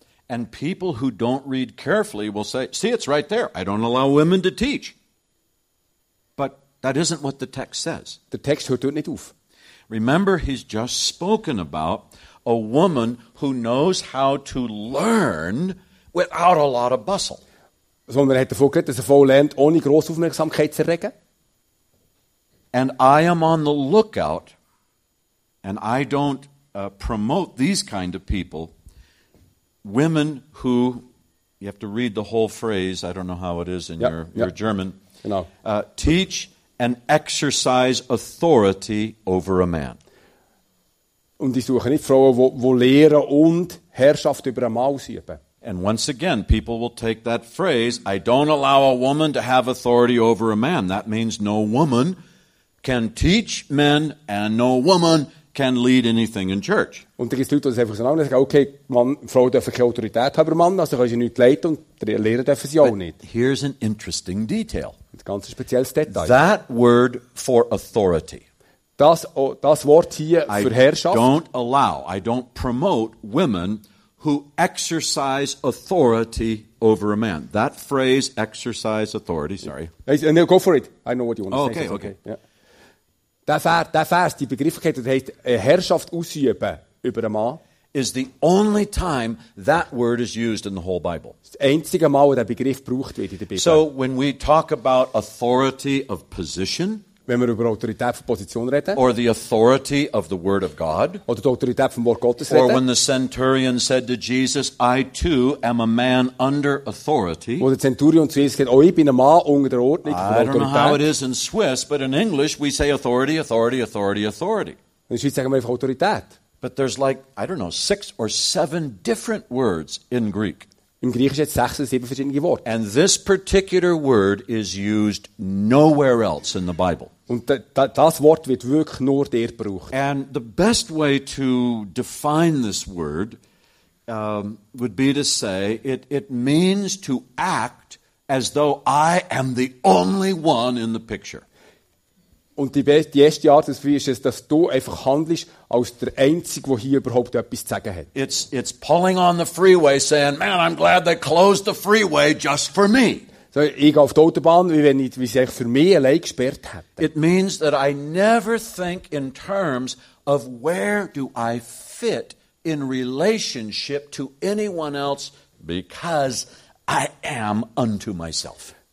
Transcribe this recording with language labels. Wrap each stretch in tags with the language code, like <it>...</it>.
<en>And people who don't read carefully will say, see, it's right there. I don't allow women to teach. But that isn't what the text says. The text</en> <de>hört dort nicht auf.</de> <en>Remember, he's just spoken about a woman who knows how to learn without a lot of bustle.</en> <de>Sondern er hat davon gehört, dass er voll lernt, ohne grosse Aufmerksamkeit zu erregen.</de> <en>And I am on the lookout, and I don't promote these kind of people. Women who, you have to read the whole phrase, I don't know how it is in your German,</en> <de>genau.</de> <en>Teach and exercise authority over a man.</en> <de>Und ich suche nicht Frauen, wo lehren und Herrschaft über einen Mann ausüben.</de> <en>And once again, people will take that phrase, I don't allow a woman to have authority over a man. That means no woman can teach men and no woman can lead anything in church.</en> <de>Und da gibt's Leute, die einfach so sagen, okay, Frau dürfen keine Autorität haben, Mann, also können sie nicht leiten und lehren dürfen sie auch nicht.</de> <en>Here's an interesting detail.</en> <de>Ein ganz spezielles Detail.</de> <en>That word for authority.</en> <de>Das Wort hier für Herrschaft.</de> <en>I don't promote women who exercise authority over a man. That phrase, exercise authority, sorry. And they'll go for it. I know what you want to say. Okay. Yeah.</en> <de>Der Vers, die Begrifflichkeit, der heißt Herrschaft ausüben über einen Mann,</de> <en>is the only time that word is used in the whole Bible.</en> <de>Das einzige Mal, wo der Begriff gebraucht wird in der Bibel.</de> <en>So, when we talk about authority of position,</en> <de>wenn wir über Autorität von Position reden,</de> <en>or the authority of the Word of God,</en> <de>oder die Autorität vom Wort Gottes reden,</de> <en>or when the centurion said to Jesus, I too am a man under authority,</en> <de>wo der Zenturion zu Jesus sagt, oh, ich bin ein Mann unter der Ordnung von Autorität.</de> <en>I don't know how it is in Swiss, but in English we say authority, authority, authority, authority.</en> <de>In Schweiz sagen wir einfach Autorität.</de> <en>But there's like, I don't know, 6 or 7 different words in Greek.</en> <de>Im Griechischen hat es 6 oder 7 verschiedene Worte.</de> <en>And this particular word is used nowhere else in the Bible.</en> <de>Und das Wort wird wirklich nur dort gebraucht.</de> <en>And the best way to define this word would be to say it means to act as though I am the only one in the picture.</en> <de>Und die erste Art des Friedens ist, dass du einfach handelst als der Einzige, der hier überhaupt etwas zu sagen hat.</de> <en>It's pulling on the freeway saying, man, I'm glad they closed the freeway just for me.</en> <de>So, ich gehe auf die Autobahn, wie sie für mich allein gesperrt hätte.</de> <en>It means that I never think in terms of where do I fit in relationship to anyone else because I am unto myself.</en>